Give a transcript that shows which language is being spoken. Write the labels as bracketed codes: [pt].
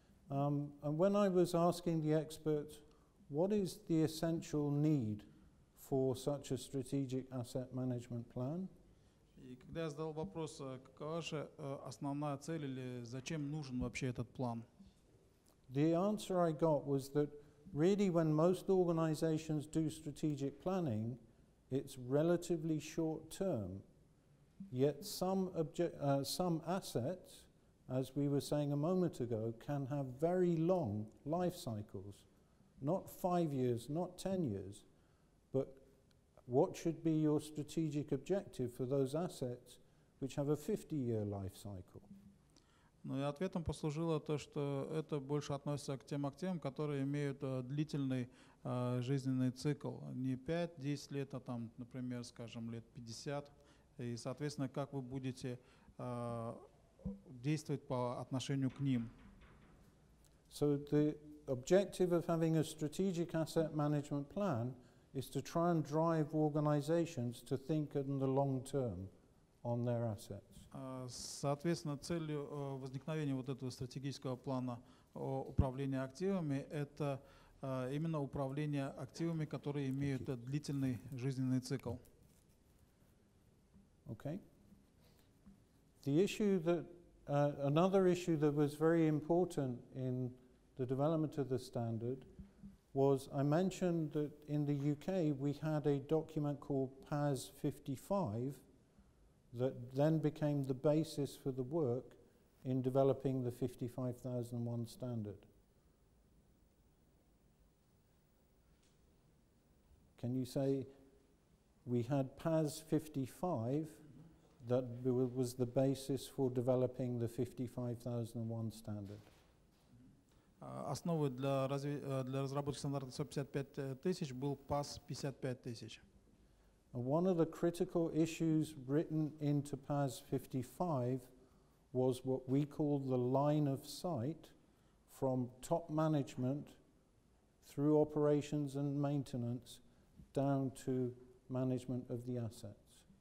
[en] And when I was asking the experts, what is the essential need for such a strategic asset management plan? [ru] И когда я задал вопрос, какова же основная цель или зачем нужен вообще этот план? [en] The answer I got was that really when most organizations do strategic planning, it's relatively short term, yet some assets, as we were saying a moment ago, can have very long life cycles, not 5 years, not 10 years, but what should be your strategic objective for those assets which have a 50-year life cycle? [ru] Ну и ответом послужило то, что это больше относится к тем активам, которые имеют длительный жизненный цикл, не 5-10 лет, а там, например, скажем, лет 50. И, соответственно, как вы будете действовать по отношению к ним. [en] So the objective of having a strategic asset management plan is to try and drive organizations to think in the long term on their assets. [ru] Соответственно, целью возникновения вот этого стратегического плана управления активами это именно управление активами, которые имеют длительный жизненный цикл. [en] Okay. The issue that another issue that was very important in the development of the standard was I mentioned that in the UK we had a document called PAS 55 that then became the basis for the work in developing the 55001 standard. Can you say we had PAS 55 that was the basis for developing the 55001 standard? [ru] Основой для разработки стандарта 55000 был PAS 55000. [en] One of the critical issues written into PAS 55 was what we call the line of sight from top management through operations and maintenance down to management of the assets.